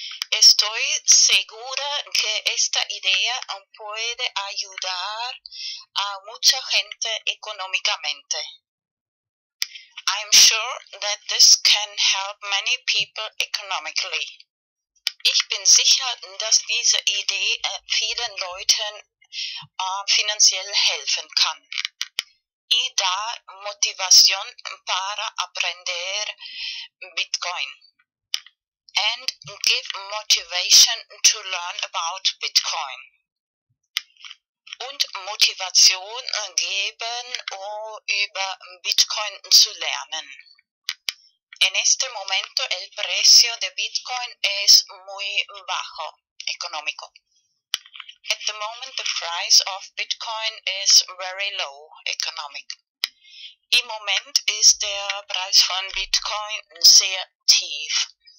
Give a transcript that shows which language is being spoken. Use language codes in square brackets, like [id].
[es] Estoy segura que esta idea puede ayudar a mucha gente económicamente. [en] I'm sure that this can help many people economically. [de] Ich bin sicher, dass diese Idee vielen Leuten finanziell helfen kann. [es] Y da motivación para aprender Bitcoin. [en] And give motivation to learn about Bitcoin. [de] Und Motivation geben, um über Bitcoin zu lernen. [es] En este momento el precio de Bitcoin es muy bajo, económico. [en] At the moment the price of Bitcoin is very low, economic. [de] Im Moment ist der Preis von Bitcoin sehr tief.